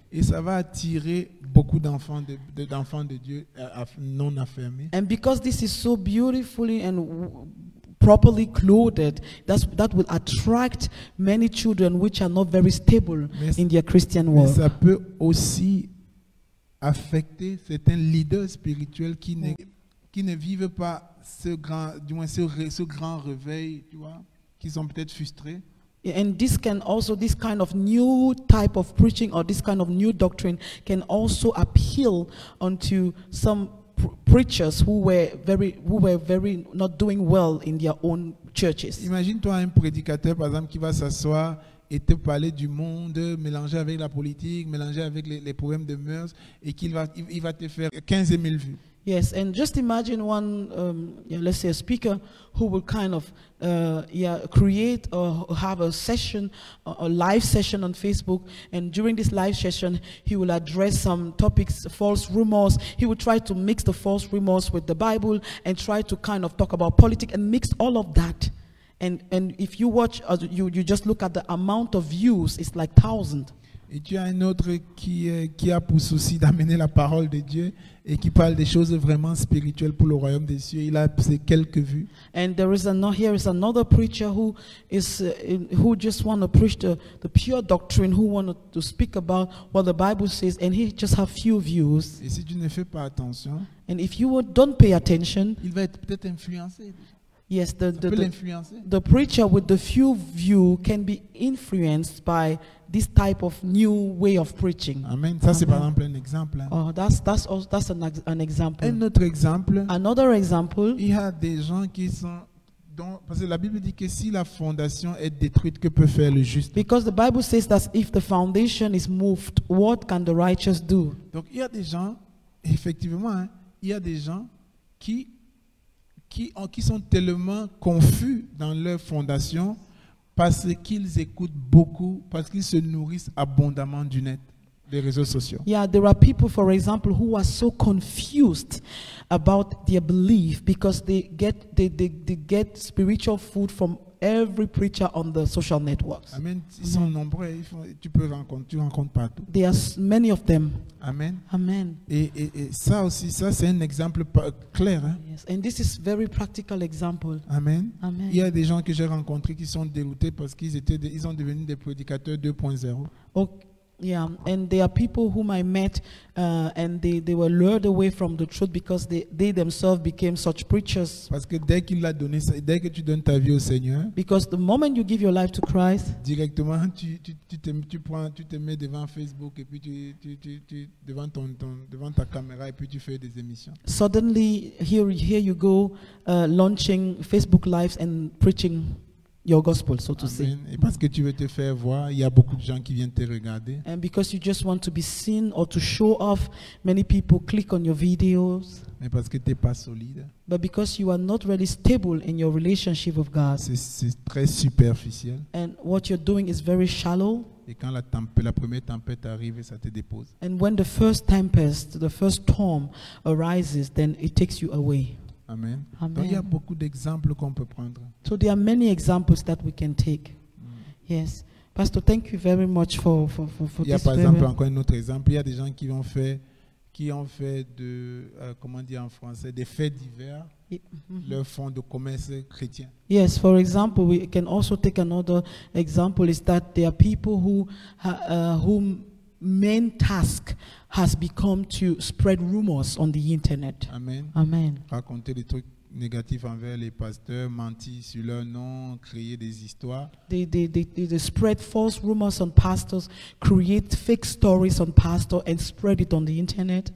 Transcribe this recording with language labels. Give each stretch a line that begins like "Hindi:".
French: Et ça va attirer beaucoup d'enfants de Dieu non affirmés.
English: And because this is so beautifully and properly clothed, that will attract many children which are not very stable in their Christian world.
French: Mais ça peut aussi affecter certains leaders spirituels qui ne vivent pas ce grand réveil, tu vois, qui sont peut-être frustrés.
English: And this can also, this kind of new type of preaching or this kind of new doctrine can also appeal unto some preachers who were very not doing well in their own churches.
French: Imagine-toi un prédicateur, par exemple, qui va s'asseoir et te parler du monde mélangé avec la politique, mélangé avec les problèmes de mœurs, et qu'il va te faire 15 000 vues.
English: Yes, and just imagine one, let's say a speaker who will kind of create or have a session, a live session on Facebook, and during this live session, he will address some topics, false rumors. He will try to mix the false rumors with the Bible and try to kind of talk about politics and mix all of that. And if you watch, you just look at the amount of views, it's like 1,000.
French: Et tu as un autre qui a pour souci d'amener la parole de Dieu et qui parle des choses vraiment spirituelles pour le royaume des cieux. Il a ses quelques vues.
English: And there is another preacher who is who just want to preach the pure doctrine, who want to speak about what the Bible says, and he just have few views.
French: Et si tu ne fais pas attention,
English: and if you don't pay attention,
French: il va être peut-être influencé.
English: Yes, the preacher with the few views can be influenced by this type of new way of preaching.
French: Amen. Ça, c'est par exemple un exemple. Hein.
English: Oh, that's an example.
French: Un autre exemple.
English: Another example.
French: Il y a des gens qui sont dont, parce que la Bible dit que si la fondation est détruite, que peut faire le juste?
English: Because the Bible says that if the foundation is moved, what can the righteous do?
French: Donc il y a des gens, effectivement, hein, il y a des gens qui sont tellement confus dans leur fondation parce qu'ils écoutent beaucoup, parce qu'ils se nourrissent abondamment du net, des réseaux sociaux.
English: Yeah, there are people, for example, who are so confused about their belief because they get spiritual food from every preacher on the social networks.
French: Amen. Ils sont nombreux. Tu rencontres partout.
English: There are many of them. Amen. Amen.
French: Et ça aussi, ça c'est un exemple clair. Hein?
English: Yes. And this is very practical example. Amen. Amen.
French: Il y a des gens que j'ai rencontrés qui sont déroutés parce qu'ils ont devenu des prédicateurs 2.0.
English: Okay. Yeah. And there are people whom I met and they were lured away from the truth because they themselves became such preachers.
French: Parce que dès qu'il l'a donné, dès que tu donnes ta vie au Seigneur,
English: because the moment you give your life to Christ,
French: directement tu te mets devant Facebook et puis tu devant devant ta caméra et puis tu fais des émissions.
English: Suddenly here you go launching Facebook lives and preaching your gospel, so to Amen. Say.
French: Et parce que tu veux te faire voir, il y a beaucoup de gens qui viennent te regarder.
English: And because you just want to be seen or to show off, many people click on your videos.
French: Mais parce que t'es pas solide.
English: But because you are not really stable in your relationship with God.
French: C'est très superficiel.
English: And what you're doing is very shallow.
French: Et quand la première tempête arrive, ça te dépose.
English: And when the first tempest, the first storm arises, then it takes you away. Amen. Amen.
French: Donc il y a beaucoup d'exemples qu'on peut prendre.
English: So there are many examples that we can take. Mm. Yes. Pastor, thank you very much for
French: this. Il y a par exemple encore un autre exemple. Il y a des gens qui ont fait de comment dire en français des faits divers leur fonds de commerce chrétien.
English: Yes, for example, we can also take another example is that there are people whose main task has become to spread rumors on the internet. Amen. Amen.
French: Raconter des trucs négatifs envers les pasteurs, mentir sur leur nom, créer des histoires.
English: They spread false rumors on pastors, create fake stories on pastors and spread it on the internet.